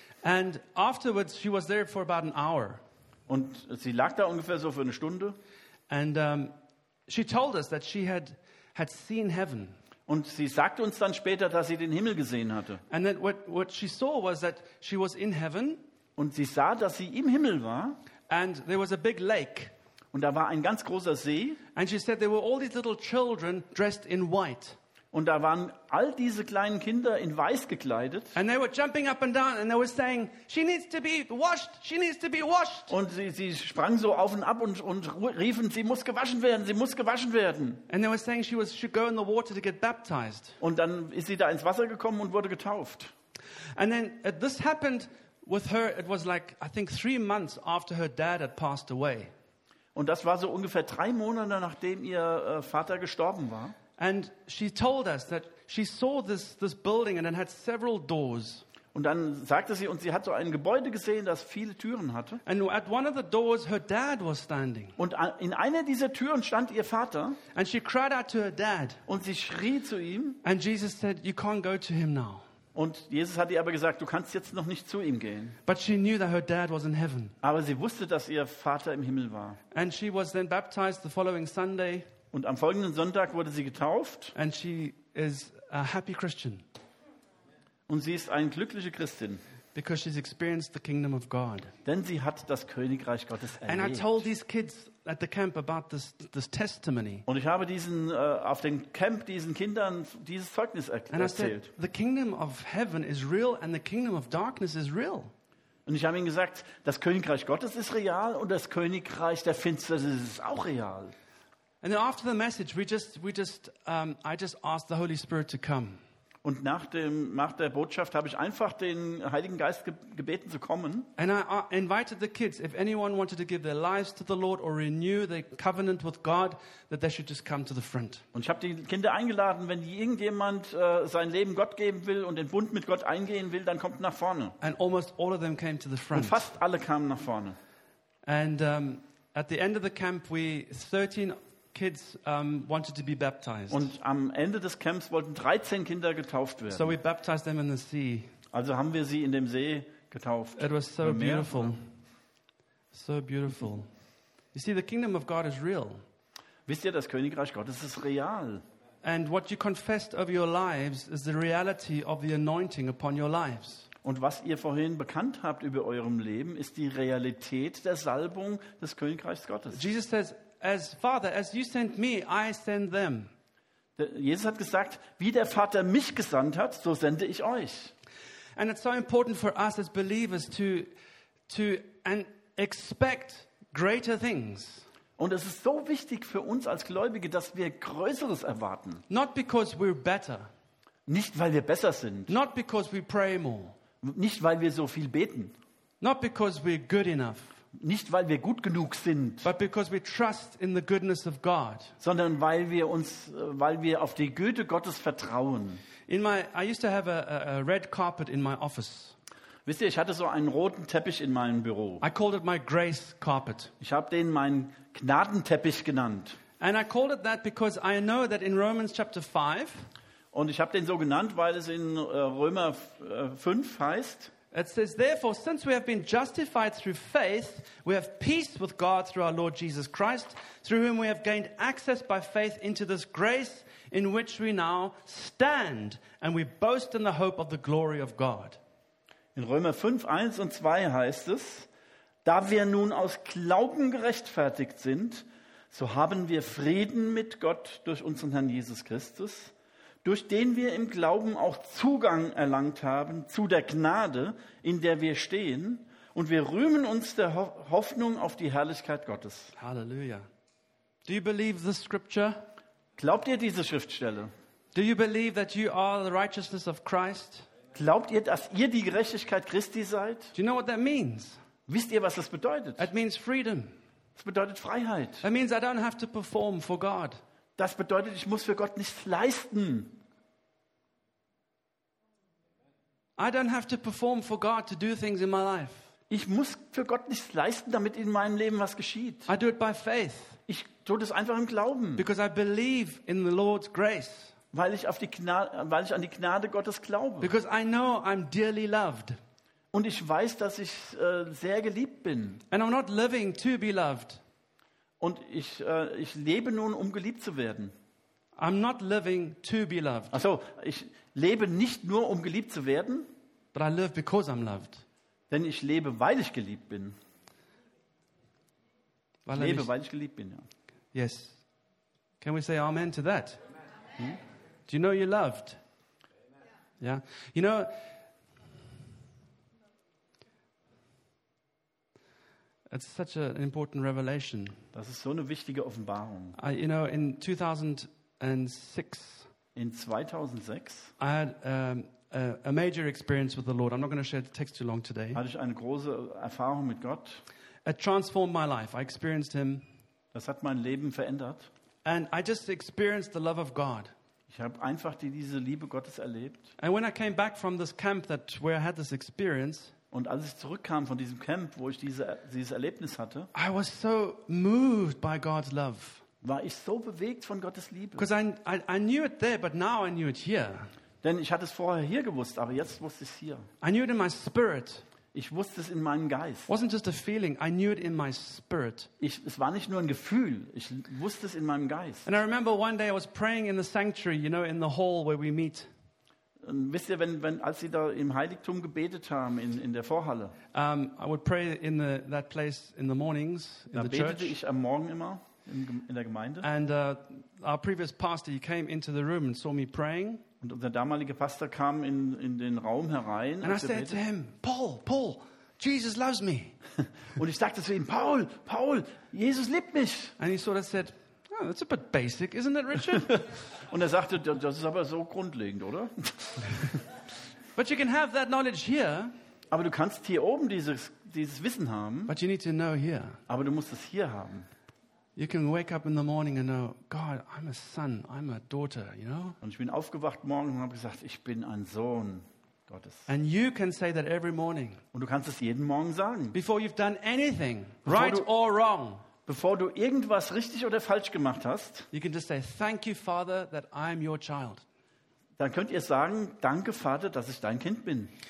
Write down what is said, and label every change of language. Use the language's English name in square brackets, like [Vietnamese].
[English] And afterwards she was there for about an hour. [German] Und sie lag da ungefähr so für eine Stunde. [English] And she told us that she had seen heaven. [German] Und sie sagte uns dann später, dass sie den Himmel gesehen hatte. [English] And then what she saw was that she was in heaven. [German] Und sie sah, dass sie im Himmel war. [English] And there was a big lake. [German] Und da war ein ganz großer See. [English] And she said there were all these little children dressed in white. [German] Und da waren all diese kleinen Kinder in weiß gekleidet. [English] And they were jumping up and down and they were saying, she needs to be washed, she needs to be washed. [German] Und sie sprang so auf und ab und riefen, sie muss gewaschen werden, sie muss gewaschen werden. [English] And they were saying she should go in the water to get baptized. [German] Und dann ist sie da ins Wasser gekommen und wurde getauft. [English] And then this happened with her, it was like, I think 3 months after her dad had passed away. [German] Und das war so ungefähr 3 Monate, nachdem ihr Vater gestorben war. [English] And she told us that she saw this building and it had several doors. [German] Und dann sagte sie uns, sie hat so ein Gebäude gesehen, das viele Türen hatte. [English] And at one of the doors her dad was standing. [German] Und in einer dieser Türen stand ihr Vater. [English] And she cried out to her dad. [German] Und sie schrie zu ihm. [English] And Jesus said, you can't go to him now. [German] Und Jesus hat ihr aber gesagt, du kannst jetzt noch nicht zu ihm gehen. [English] But she knew that her dad was in heaven. [German] Aber sie wusste, dass ihr Vater im Himmel war. [English] And she was then baptized the following Sunday. [German] Und am folgenden Sonntag wurde sie getauft. [English] And she is a happy Christian. [German] Und sie ist eine glückliche Christin. [English] Because she's experienced the kingdom of God. [German] Denn sie hat das Königreich Gottes erlebt. [English] And I told these kids at the camp about this testimony. [German] Und ich habe diesen auf dem Camp diesen Kindern dieses Zeugnis erzählt. [English] The kingdom of heaven is real and the kingdom of darkness is real. [German] Und ich habe ihnen gesagt, das Königreich Gottes ist real und das Königreich der Finsternis ist auch real. [English] And then after the message I just asked the Holy Spirit to come. [German] Und nach der Botschaft habe ich einfach den Heiligen Geist gebeten zu kommen. [English] And I invited the kids if anyone wanted to give their lives to the Lord or renew their covenant with God that they should just come to the front. [German] Und ich habe die Kinder eingeladen, wenn irgendjemand sein Leben Gott geben will und den Bund mit Gott eingehen will, dann kommt nach vorne. [English] And almost all of them came to the front. [German] Und fast alle kamen nach vorne. [English] And at the end of the camp we 13 kids wanted to be baptized. [German] Und am Ende des Camps wollten 13 Kinder getauft werden. [English] So we baptized them in the sea. [German] Also haben wir sie in dem See getauft. [English] It was so beautiful. So beautiful. You see, the kingdom of God is real. [German] Wisst ihr, das Königreich Gottes ist real. [English] And what you confessed of your lives is the reality of the anointing upon your lives. [German] Und was ihr vorhin bekannt habt über eurem Leben, ist die Realität der Salbung des Königreichs Gottes. [English] Jesus says, as Father, as you send me, I send them. [German] Jesus hat gesagt, wie der Vater mich gesandt hat, so sende ich euch. [English] And it's so important for us as believers to and expect greater things. [German] Und es ist so wichtig für uns als Gläubige, dass wir Größeres erwarten. [English] Not because we're better. [German] Nicht weil wir besser sind. [English] Not because we pray more. [German] Nicht weil wir so viel beten. [English] Not because we're good enough. [German] Nicht weil wir gut genug sind. [English] But because we trust in the goodness of God. [German] Sondern weil wir auf die Güte Gottes vertrauen. [English] I used to have a red carpet in my office. [German] Wisst ihr, ich hatte so einen roten Teppich in meinem Büro. [English] I called it my grace carpet. [German] Ich habe den meinen Gnadenteppich genannt. [English] And I called it that because I know that in Romans chapter 5. [German] Und ich habe den so genannt, weil es in Römer 5 heißt. [English] It says, therefore, since we have been justified through faith, we have peace with God through our Lord Jesus Christ, through whom we have gained access by faith into this grace in which we now stand, and we boast in the hope of the glory of God. [German] In Römer 5, 1 und 2 heißt es, da wir nun aus Glauben gerechtfertigt sind, so haben wir Frieden mit Gott durch unseren Herrn Jesus Christus, durch den wir im Glauben auch Zugang erlangt haben zu der Gnade, in der wir stehen. Und wir rühmen uns der Hoffnung auf die Herrlichkeit Gottes. Halleluja. [English] Do you believe this scripture? [German] Glaubt ihr diese Schriftstelle? [English] Do you believe that you are the righteousness of Christ? [German] Glaubt ihr, dass ihr die Gerechtigkeit Christi seid? [English] Do you know what that means? [German] Wisst ihr, was das bedeutet? [English] It means freedom. [German] Es bedeutet Freiheit. [English] It means I don't have to perform for God. [German] Das bedeutet, ich muss für Gott nichts leisten. [English] I don't have to perform for God to do things in my life. [German] Ich muss für Gott nichts leisten, damit in meinem Leben was geschieht. [English] I do it by faith. [German] Ich tue das einfach im Glauben. [English] Because I believe in the Lord's grace. [German] Weil ich an die Gnade Gottes glaube. [English] Because I know I'm dearly loved. [German] Und ich weiß, dass ich sehr geliebt bin. [English] And I'm not living to be loved. [German] Und ich lebe nun, um geliebt zu werden. [English] I'm not living to be loved. [German] Also, ich lebe nicht nur, um geliebt zu werden. [English] But I live because I'm loved. [German] Denn ich lebe, weil ich geliebt bin. Weil ich geliebt bin, ja. [English] Yes. Can we say amen to that? Amen. Do you know you're loved? Amen. Yeah. You know, it's such an important revelation. [German] Das ist so eine wichtige Offenbarung. [English] You know, in 2006. [German] In 2006. [English] I had a major experience with the Lord. I'm not going to share the text too long today. [German] Hatte ich eine große Erfahrung mit Gott. [English] It transformed my life. I experienced Him. [German] Das hat mein Leben verändert. [English] And I just experienced the love of God. [German] Ich habe einfach diese Liebe Gottes erlebt. [English] And when I came back from this camp that where I had this experience. [German] Und als ich zurückkam von diesem Camp, wo ich dieses Erlebnis hatte, [English] I was so moved by God's love. [German] War ich so bewegt von Gottes Liebe. [English] Because I knew it there, but now I knew it here. [German] Denn ich hatte es vorher hier gewusst, aber jetzt wusste ich es hier. [English] I knew it in my spirit. [German] Ich wusste es in meinem Geist. [English] It wasn't just a feeling, I knew it in my spirit. [German] Es war nicht nur ein Gefühl, ich wusste es in meinem Geist. [English] And I remember one day I was praying in the sanctuary, you know, in the hall where we meet. [German] Und wisst ihr, wenn als sie da im Heiligtum gebetet haben in der Vorhalle. [English] I would pray in that place in the mornings in the church. [German] Da betete ich am Morgen immer in der Gemeinde. [English] And our previous pastor, he came into the room and saw me praying. [German] Und unser damaliger Pastor kam in den Raum herein. [English] And I said to him, Paul, Jesus loves me. [German] Und ich sagte zu ihm, Paul, Jesus liebt mich. [English] And he sort of said, oh, that's a bit basic, isn't it, Richard? [German] Und sagte, das ist aber so grundlegend, oder? [English] But you can have that knowledge here. [German] Aber du kannst hier oben dieses Wissen haben. [English] But you need to know here. [German] Aber du musst es hier haben. [English] You can wake up in the morning and know, God, I'm a son, I'm a daughter, you know? [German] Und ich bin aufgewacht morgen und habe gesagt, ich bin ein Sohn Gottes. [English] And you can say that every morning. [German] Und du kannst es jeden Morgen sagen. [English] Before you've done anything, right or wrong. [German] Bevor du irgendwas richtig oder falsch gemacht hast, [English] you can just say, thank you, Father, that I am your child. [German] Dann könnt ihr sagen, danke, Vater, dass ich dein Kind bin.